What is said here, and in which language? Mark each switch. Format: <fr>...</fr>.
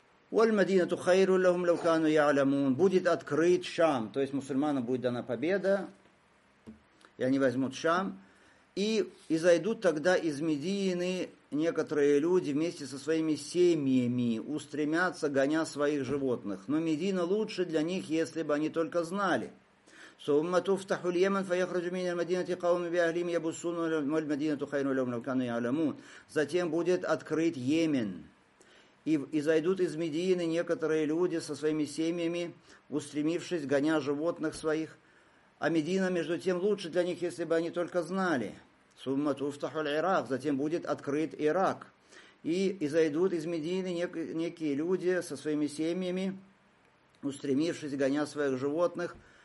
<ar>Валь-мадинату хайру лахум лау кану яалямун.</ar> <ru>Будет открыт шам, то есть мусульманам будет дана победа, и они возьмут шам, и зайдут тогда из Медины некоторые люди вместе со своими семьями, устремятся, гоня своих животных. Но Медина лучше для них, если бы они только знали.</ru> <ar>ثم تفتح اليمن فيخرج من المدينه قوم باهلهم يبصون والمدينه خير لهم لو كانوا يعلمون.</ar> <ru>Затем будет открыт Йемен, и зайдут из Медины некоторые люди со своими семьями, устремившись, гоня животных своих, а Медина между тем лучше для них, если бы они только знали.</ru> <ar>ثم تفتح العراق,</ar> <ru>затем будет открыт Ирак, и зайдут из Медины некие люди со своими семьями, устремившись, гоня своих животных.</ru>